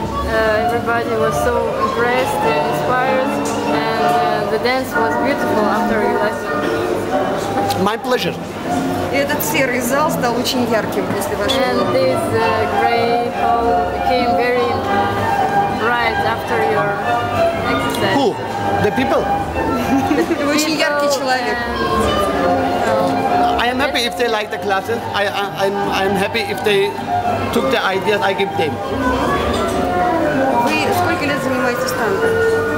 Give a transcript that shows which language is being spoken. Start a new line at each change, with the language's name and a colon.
English: Everybody was so impressed and inspired, and the dance was beautiful after your lesson. My pleasure.
Russian: И этот серый зал стал очень ярким после вашего.
English: And this gray hall became very bright after your exercise. Who? The people?
Russian: Вы очень яркий человек.
English: I am happy if they like the classes. I'm happy if they took the ideas I give them.
Russian: Вы сколько лет занимаетесь танго?